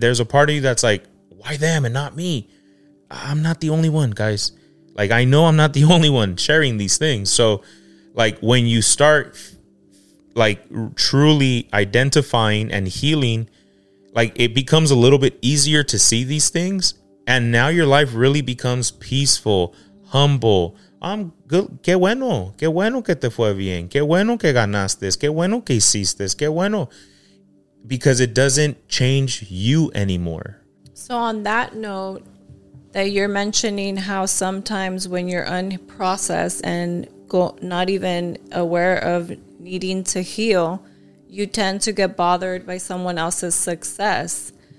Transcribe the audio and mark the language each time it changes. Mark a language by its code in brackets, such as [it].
[en] There's a part of you that's like, why them and not me? I'm not the only one, guys. Like, I know I'm not the only one sharing these things. So like when you start like truly identifying and healing, like it becomes a little bit easier to see these things. And now your life really becomes peaceful, humble. I'm good. [es] Qué bueno que te fue bien. Qué bueno que ganaste. Qué bueno que hiciste. Qué bueno. [en] Because it doesn't change you anymore. So on that note, that you're mentioning how sometimes when you're unprocessed and not even aware of needing to heal, you tend to get bothered by someone else's success.